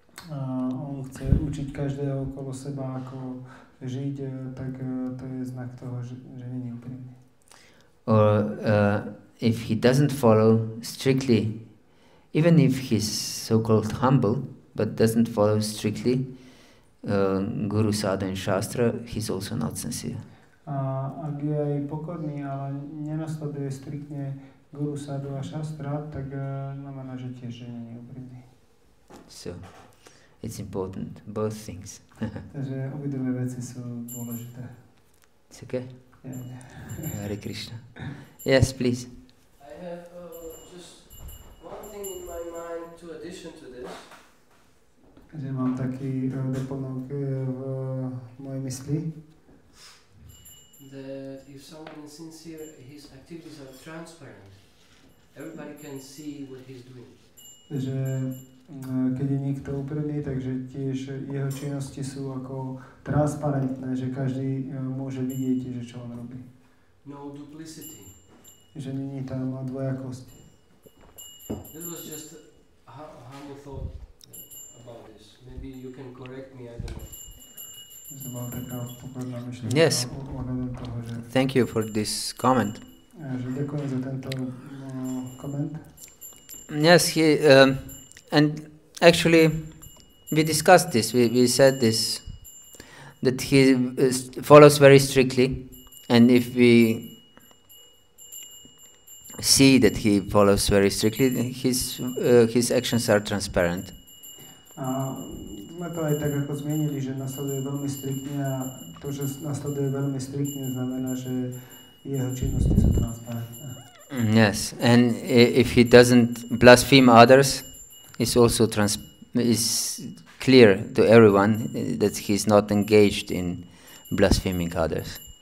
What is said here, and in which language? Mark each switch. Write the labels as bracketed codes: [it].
[sk] On chce učiť každého okolo seba, ako žiť, tak to je znak toho, že nie je úprimný. [en] Or if he doesn't follow strictly, even if he's so-called humble, but doesn't follow strictly Guru Sadhu and Shastra, he's also not sincere. [sk] Ak je aj pokorný, ale nenasleduje striktne Guru Sadhu a Shastra, tak znamená, že tiež nie je úprimný. [en] So. It's important, both things. [sk] Takže obidve veci sú dôležité. [en] It's okay? Yeah. Hare Krishna. Yes, please. I have just one thing in my mind to addition to this. [sk] Takže mám taký doplnok v mojej mysli. [en] That if someone is sincere, his activities are transparent. Everybody can see what he's doing. [sk] Takže keď je niekto úprimný, takže tiež jeho činnosti sú ako transparentné, že každý môže vidieť, že čo on robí. [en] No duplicity. [sk] Že není tam dvojakosť. [en] This was just a humble thought about this. Maybe you can correct me, I don't know. [sk] To bola taká pokorná myšlenka. [en] Yes. [sk] Toho, že [en] thank you for this comment. [sk] Že ďakujem za tento comment. [en] Yes, he and actually we discussed this, we said this, that he follows very strictly, and if we see that he follows very strictly, his actions are transparent. [sk] Sme to aj tak ako zmienili, že nasleduje veľmi striktne, a to, že nasleduje veľmi striktne, znamená, že jeho činnosti sú transparentné. [en] Yes, and if he doesn't blaspheme others, it's also is clear to everyone that he's not engaged in blaspheming others.